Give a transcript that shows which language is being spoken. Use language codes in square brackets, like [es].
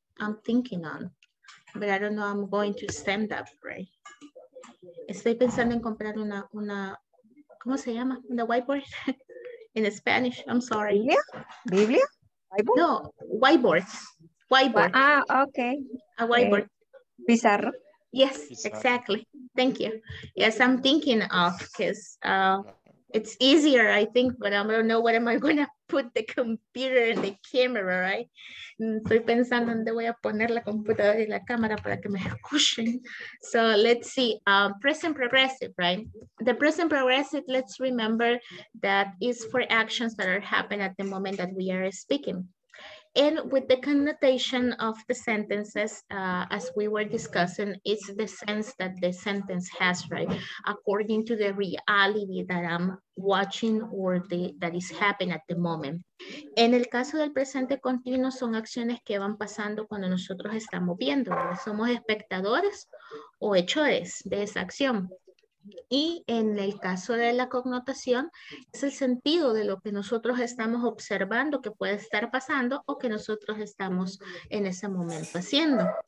[en] I'm thinking on, but I don't know I'm going to stand up, right? [es] Estoy pensando en comprar una ¿cómo se llama? [en] Una whiteboard. In Spanish, I'm sorry. [es] Biblia? Biblia? [en] Whiteboard? No, whiteboard. Whiteboard. Ah, okay. A whiteboard. [es] Pizarro. [en] Yes, pizarro. Exactly. Thank you. Yes, I'm thinking of, because it's easier, I think, but I don't know what am I going to put the computer and the camera, right? [es] Estoy pensando dónde voy a poner la computadora y la cámara para que me escuchen. [en] So let's see, present progressive, right? The present progressive, let's remember that is for actions that are happening at the moment that we are speaking. And with the connotation of the sentences, as we were discussing, it's the sense that the sentence has, right? According to the reality that I'm watching or the, that is happening at the moment. [es] En el caso del presente continuo, son acciones que van pasando cuando nosotros estamos viendo, ¿no? Somos espectadores o hechores de esa acción. Y en el caso de la connotación, es el sentido de lo que nosotros estamos observando que puede estar pasando o que nosotros estamos en ese momento haciendo.